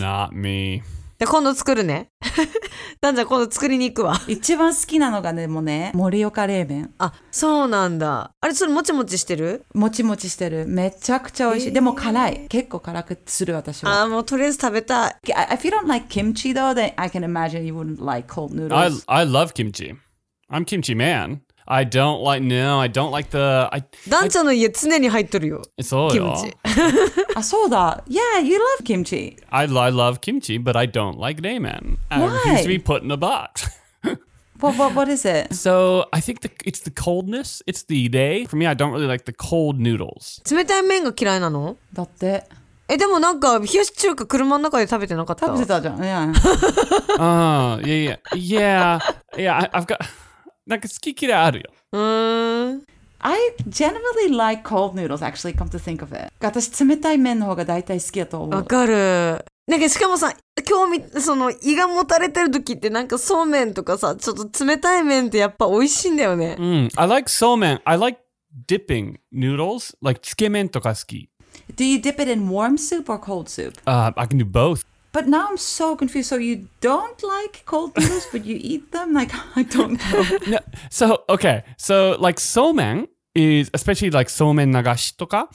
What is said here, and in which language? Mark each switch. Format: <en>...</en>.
<en>Not me.</en> <ja>で今度作るね。なんじゃ、今度作りに行くわ。一番好きなのがね、もうね、盛岡冷麺。あ、そうなんだ。あれ、それもちもちしてる？もちもちしてる。めちゃくちゃ美味しい。でも辛い。結構辛くする、私は。あ、もうとりあえず食べたい。</ja> <en>If you don't like kimchi though, then I can imagine you wouldn't like cold noodles. I love kimchi. I'm kimchi man. I don't like, no, I don't like the...</en> <ja>ダンちゃんの家常に入っとるよ。そうよ。キムチ。あ、そうだ。</ja> <en>Yeah, you love kimchi. I love kimchi, but I don't like ramen. Why? It needs to be put in a box. What is it? So, I think it's the coldness. It's the day. For me, I don't really like the cold noodles.</en> <ja>冷たい麺が嫌いなの？だって。え、でもなんか冷やし中華車の中で食べてなかった？食べてたじゃん。</ja> <en>Yeah. Yeah, I've got...</en> <ja>なんか好き嫌いあるよ。</ja> <en>I generally like cold noodles, actually, come to think of it.</en> <ja>私、冷たい麺の方が大体好きだと思う。わかる。なんか、しかもさ、今日その胃がもたれてる時って、なんかそうめんとかさ、ちょっと冷たい麺ってやっぱ美味しいんだよね。</ja> <en>うん。I like そうめん。I like dipping noodles, like</en> <ja>つけ麺とか好き。</ja> <en>Do you dip it in warm soup or cold soup? I can do both. But now I'm so confused. So you don't like cold noodles, but you eat them? Like, I don't know. No, so, okay. So, like, somen is, especially like somen nagashi toka.</en>